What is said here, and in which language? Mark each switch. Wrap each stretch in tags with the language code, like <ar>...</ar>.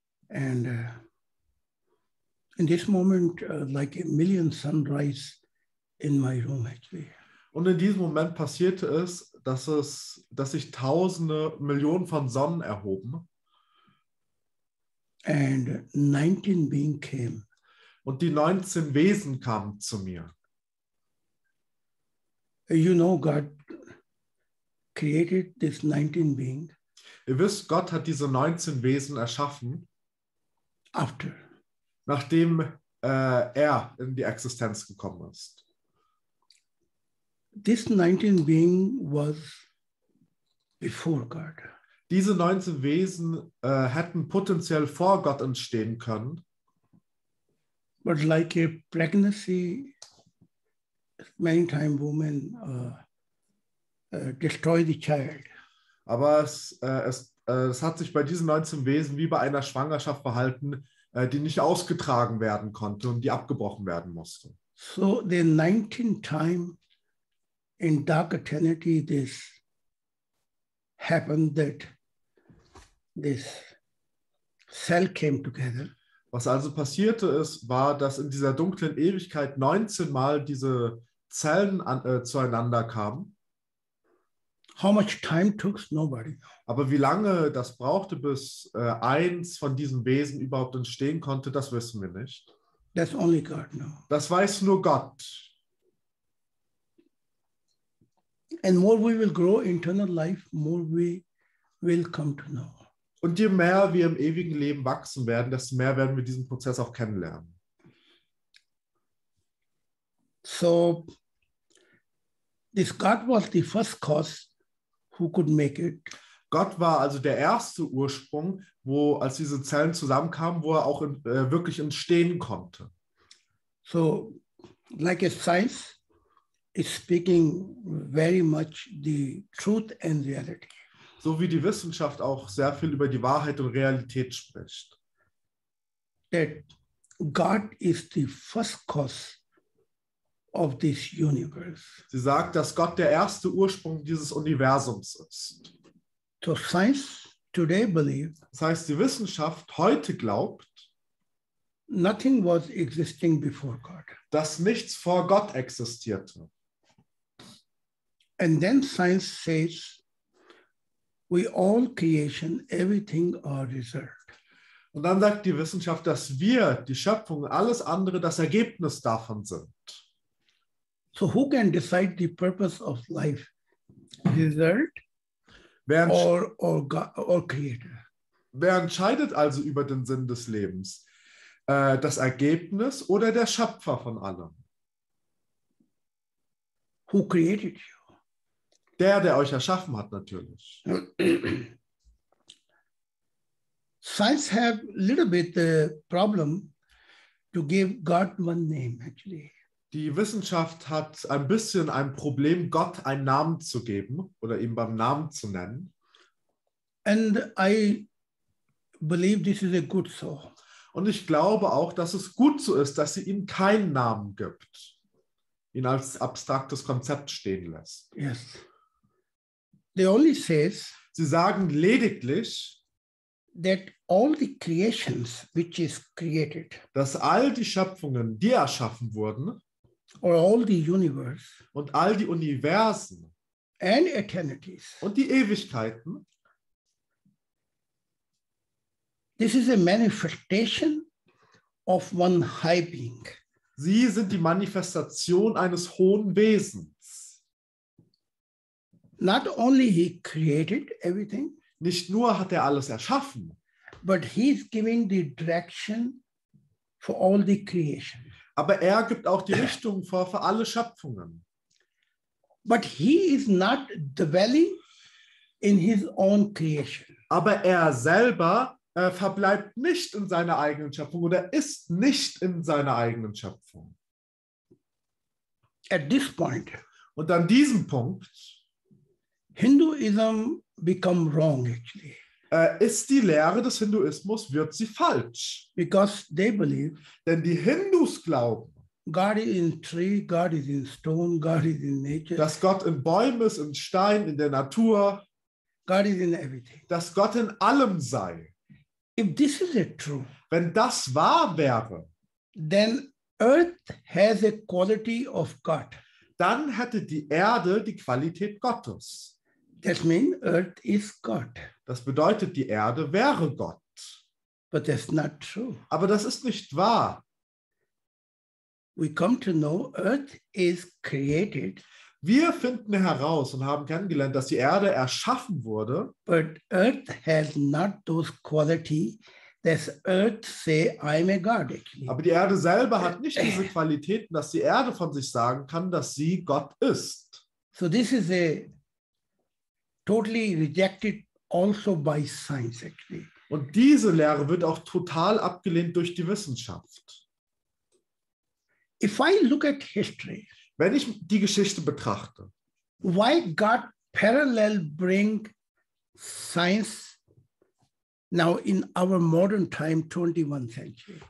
<en>And in this moment, like a million sunrise in my room, actually.</en> <de>Und in diesem Moment passierte es, dass sich Tausende, Millionen von Sonnen erhoben.</de> <en>And 19 beings came.</en> <de>Und die 19 Wesen kamen zu mir.</de> <en>You know, God created this 19 being.</en> <de>Ihr wisst, Gott hat diese 19 Wesen erschaffen.</de> <en>After.</en> <de>Nachdem er in die Existenz gekommen ist.</de> <en>This 19 being was before God.</en> <de>Diese 19 Wesen hätten potenziell vor Gott entstehen können.</de> <en>But like a pregnancy. Many time women destroy the child.</en> <de>Aber es hat sich bei diesen 19 Wesen wie bei einer Schwangerschaft verhalten, die nicht ausgetragen werden konnte und die abgebrochen werden musste.</de> <en>So the 19th time in dark eternity this happened that this cell came together.</en> <de>Was also passierte ist, war, dass in dieser dunklen Ewigkeit 19 Mal diese Zellen zueinander kamen.</de> <en>How much time took nobody.</en> <de>Aber wie lange das brauchte, bis eins von diesen Wesen überhaupt entstehen konnte, das wissen wir nicht.</de> <en>That's only God, no.</en> <de>Das weiß nur Gott.</de> <en>And more we will grow internal life, more we will come to know.</en> <de>Und je mehr wir im ewigen Leben wachsen werden, desto mehr werden wir diesen Prozess auch kennenlernen.</de> <en>So, this God was the first cause who could make it.</en> <de>Gott war also der erste Ursprung, wo als diese Zellen zusammenkamen, wo er auch wirklich entstehen konnte.</de> <en>So, like a science is speaking very much the truth and reality.</en> <de>So wie die Wissenschaft auch sehr viel über die Wahrheit und Realität spricht.</de> <en>That God is the first cause. Of this universe.</en> <de>Sie sagt, dass Gott der erste Ursprung dieses Universums ist.</de> <en>So science today believe,</en> <de>das heißt, die Wissenschaft heute glaubt,</de> <en>nothing was existing before God.</en> <de>Dass nichts vor Gott existierte.</de> <en>And then science says, we all creation, everything are reserved.</en> <de>Und dann sagt die Wissenschaft, dass wir, die Schöpfung, alles andere das Ergebnis davon sind.</de> <en>So who can decide the purpose of life? Result?</en> <de>Wer</de> <en>or creator.</en> <de>Wer entscheidet also über den Sinn des Lebens? Das Ergebnis oder der Schöpfer von allem?</de> <en>Who created you?</en> <de>Der euch erschaffen hat, natürlich.</de> <en>Science have a little bit the problem to give God one name, actually.</en> <de>Die Wissenschaft hat ein bisschen ein Problem, Gott einen Namen zu geben oder ihn beim Namen zu nennen.</de> <en>And I believe this is a good so.</en> <de>Und ich glaube auch, dass es gut so ist, dass sie ihm keinen Namen gibt, ihn als abstraktes Konzept stehen lässt.</de> <en>Yes. They only says,</en> <de>sie sagen lediglich,</de> <en>that all the creations which is created,</en> <de>dass all die Schöpfungen, die erschaffen wurden,</de> <en>or all the universe,</en> <de>und all die Universen</de> <en>and eternities,</en> <de>und die Ewigkeiten,</de> <en>this is a manifestation of one high being.</en> <de>Sie sind die Manifestation eines hohen Wesens.</de> <en>Not only he created everything,</en> <de>nicht nur hat er alles erschaffen,</de> <en>but he is giving the direction for all the creation.</en> <de>Aber er gibt auch die Richtung vor für alle Schöpfungen.</de> <en>But he is not dwelling in his own creation.</en> <de>Aber er selber verbleibt nicht in seiner eigenen Schöpfung oder ist nicht in seiner eigenen Schöpfung.</de> <en>At this point,</en> <de>und an diesem Punkt,</de> <en>Hinduism become wrong actually.</en> <de>Ist die Lehre des Hinduismus, wird sie falsch.</de> <en>Because they believe,</en> <de>denn die Hindus glauben,</de> <en>God is in tree, God is in stone, God is in nature,</en> <de>dass Gott in Bäumen ist, in Stein, in der Natur,</de> <en>God is in everything,</en> <de>dass Gott in allem sei.</de> <en>If this is a truth,</en> <de>wenn das wahr wäre,</de> <en>then earth has a quality of God.</en> <de>Dann hätte die Erde die Qualität Gottes.</de> <en>That means earth is God.</en> <de>Das bedeutet, die Erde wäre Gott.</de> <en>But that's not true.</en> <de>Aber das ist nicht wahr.</de> <en>We come to know earth is created.</en> <de>Wir finden heraus und haben kennengelernt, dass die Erde erschaffen wurde.</de> <en>But earth has not those qualities that earth say I'm a god.</en> <de>Aber die Erde selber hat nicht diese Qualitäten, dass die Erde von sich sagen kann, dass sie Gott ist.</de> <en>So this is a totally rejected also by science actually.</en> <de>Und diese Lehre wird auch total abgelehnt durch die Wissenschaft.</de> <en>If I look at history,</en> <de>wenn ich die Geschichte betrachte,</de> <en>why God parallel bring science now in our modern time 21st century?</en>